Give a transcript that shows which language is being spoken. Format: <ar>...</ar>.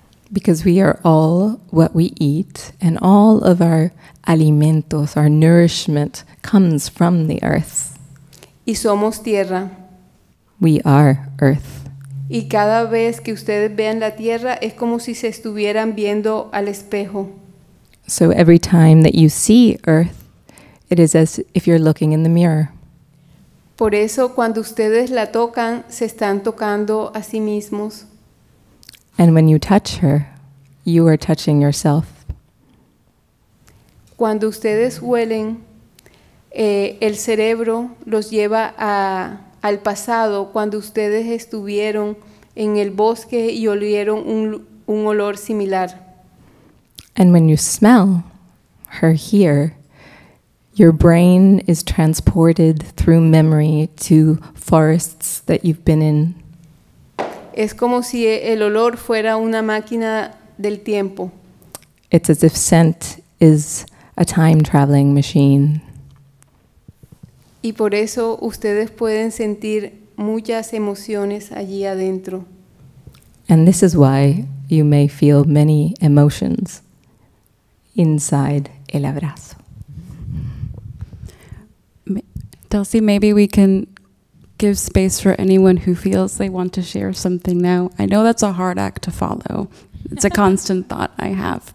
<en>Because we are all what we eat, and all of our alimentos, our nourishment, comes from the earth.</en> <es>Y somos tierra.</es> <en>We are earth.</en> <es>Y cada vez que ustedes vean la tierra, es como si se estuvieran viendo al espejo.</es> <en>So every time that you see earth, it is as if you're looking in the mirror.</en> <es>Por eso, cuando ustedes la tocan, se están tocando a sí mismos.</es> <en>And when you touch her, you are touching yourself.</en> <es>Cuando ustedes huelen, el cerebro los lleva al pasado, cuando ustedes estuvieron en el bosque y olieron un olor similar.</es> <en>And when you smell her here, your brain is transported through memory to forests that you've been in.</en> <es>Es como si el olor fuera una máquina del tiempo.</es> <en>It's as if scent is a time-traveling machine.</en> <es>Y por eso ustedes pueden sentir muchas emociones allí adentro.</es> <en>And this is why you may feel many emotions inside el abrazo. Delcy, maybe we can give space for anyone who feels they want to share something now. I know that's a hard act to follow. It's a constant thought I have.</en>